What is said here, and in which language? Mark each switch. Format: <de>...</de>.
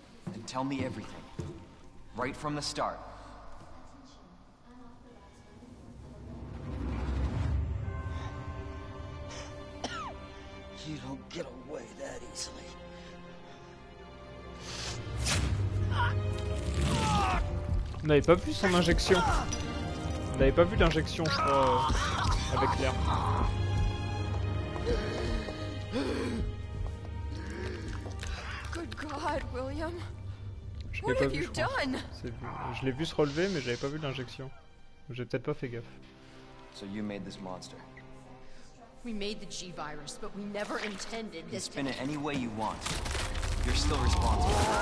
<en>Then tell me everything. Right from the start. You don't get away that easily.</en> <fr>On n'avait pas vu son injection. On n'avait pas vu l'injection, je crois, avec Claire.</fr> <en>Good God, William.</en> <fr>Je l'ai pas vu, je l'ai vu se relever, mais j'avais pas vu l'injection. J'ai peut-être pas fait gaffe.</fr> <en>So you made this monster. We made the G-virus, but we never intended this. Spin it any way you want. You're still responsible.</en>